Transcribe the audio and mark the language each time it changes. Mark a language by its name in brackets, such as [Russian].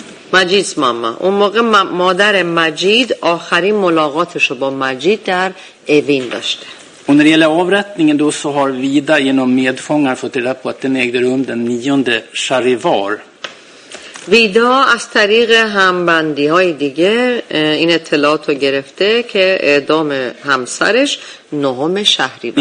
[Swedish] Majids mamma, [Persian] اون موقع مادر مجید آخرین ملاقاتش رو با مجید در اوین داشته. [Swedish] Och när det gäller avrättningen då så har Vida genom medfångar fått reda på att den ägde rum den 9 Charivar. [Persian] Vida از طریق همبندی های دیگه این اطلاعات رو گرفته که اعدام همسرش 9 شهریور